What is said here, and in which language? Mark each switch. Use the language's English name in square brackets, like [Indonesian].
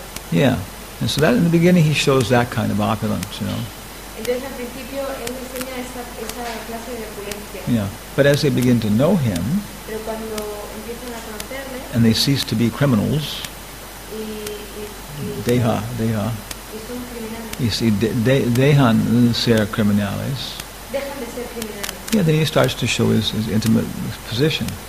[English] Yeah, and so that in the beginning he shows that kind of opulence, you know. [Spanish] Entonces, al principio, él enseña esa clase de opulencia. [English] Yeah, but as they begin to know him, [Spanish] pero cuando empiezan a conocerle, [English] and they cease to be criminals, [Spanish] y deja, y son criminales. [English] You see, [Spanish] dejan ser criminales. Dejan de ser criminales. [English] Yeah, then he starts to show his intimate position.